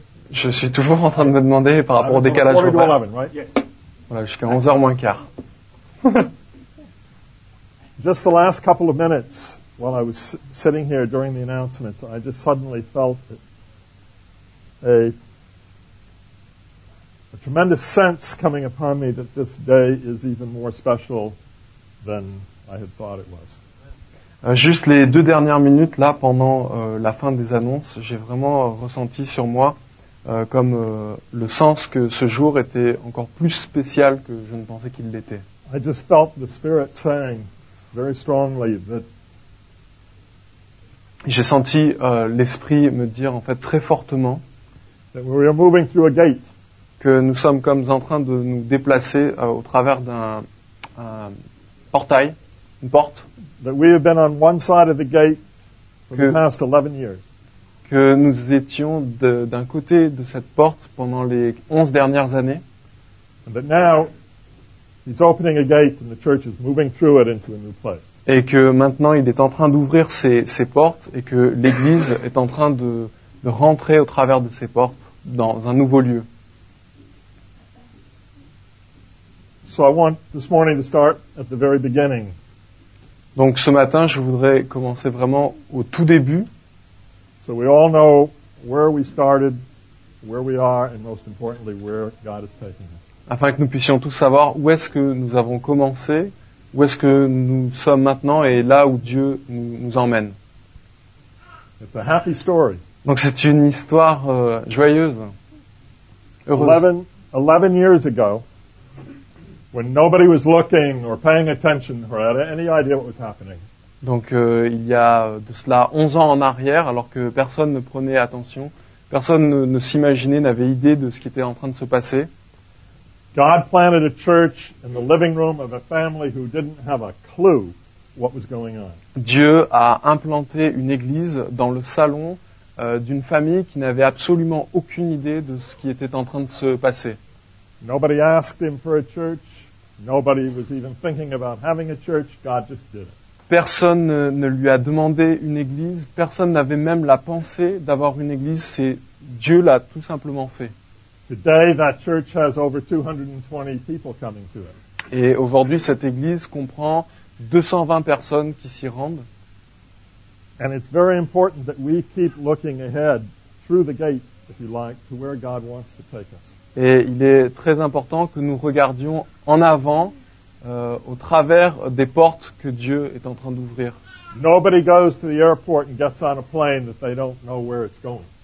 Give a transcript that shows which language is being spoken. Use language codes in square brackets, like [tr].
[fr] Je suis toujours en train de me demander par rapport au décalage horaire. Voilà, jusqu'à 11h moins quart. [en] Just the last couple of minutes while I was sitting here during the announcement, I just suddenly felt a tremendous sense coming upon me that this day is even more special than I had thought it was. [fr] Juste les deux dernières minutes, là, pendant la fin des annonces, j'ai vraiment ressenti sur moi comme le sens que ce jour était encore plus spécial que je ne pensais qu'il l'était. [en] I just felt the Spirit saying very strongly that... [fr] J'ai senti l'Esprit me dire, en fait, très fortement [en] that we are moving through a gate. [fr] Que nous sommes comme en train de nous déplacer au travers d'un portail, une porte. [en] That we have been on one side of the gate for the past 11 years. [fr] Que nous étions d'un côté de cette porte pendant les 11 dernières années. [en] But now he's opening a gate and the church is moving through it into a new place. [fr] Et que maintenant il est en train d'ouvrir ses portes et que l'église est en train de rentrer au travers de ses portes dans un nouveau lieu. [en] So I want this morning to start at the very beginning. [fr] Donc ce matin, je voudrais commencer vraiment au tout début. [en] So we all know where we started, where we are, and most importantly, where God is taking us. [fr] Afin que nous puissions tous savoir où est-ce que nous avons commencé, où est-ce que nous sommes maintenant et là où Dieu nous emmène. [en] It's a happy story. [fr] Donc c'est une histoire joyeuse, heureuse. [en] 11 years ago, when nobody was looking or paying attention or had any idea what was happening. [fr] Donc il y a de cela 11 ans en arrière, alors que personne ne prenait attention, personne ne s'imaginait, n'avait idée de ce qui était en train de se passer. [en] God planted a church in the living room of a family who didn't have a clue what was going on. [fr] Dieu a implanté une église dans le salon d'une famille qui n'avait absolument aucune idée de ce qui était en train de se passer. [en] Nobody asked him for a church. Nobody was even thinking about having a church. God just did it. [fr] Personne ne lui a demandé une église. Personne n'avait même la pensée d'avoir une église. C'est Dieu l'a tout simplement fait. [en] Today, that church has over 220 people coming to it. [fr] Et aujourd'hui, cette église comprend 220 personnes qui s'y rendent. [en] And it's very important that we keep looking ahead through the gate, if you like, to where God wants to take us. [fr] Et il est très important que nous regardions en avant, au travers des portes que Dieu est en train d'ouvrir. [en] Nobody goes to the airport and gets on a plane that they don't know where it's going.